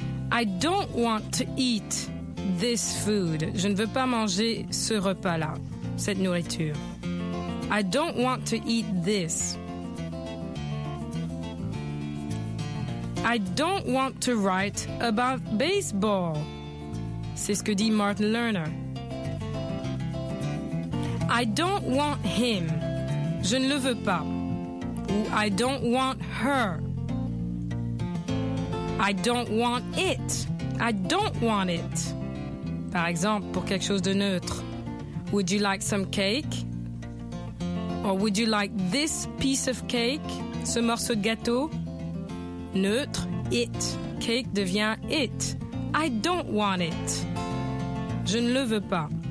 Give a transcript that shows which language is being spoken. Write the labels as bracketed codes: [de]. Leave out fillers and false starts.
[en] I don't want to eat this food. [fr] Je ne veux pas manger ce repas-là, cette nourriture. [en] I don't want to eat this. I don't want to write about baseball. [fr] C'est ce que dit Martin Lerner. [en] I don't want him. [fr] Je ne le veux pas. [en] Ou I don't want her. I don't want it. I don't want it. [fr] Par exemple, pour quelque chose de neutre. [en] Would you like some cake? Or would you like this piece of cake? [fr] Ce morceau de gâteau. Neutre, it. Cake devient it. [en] I don't want it. [fr] Je ne le veux pas.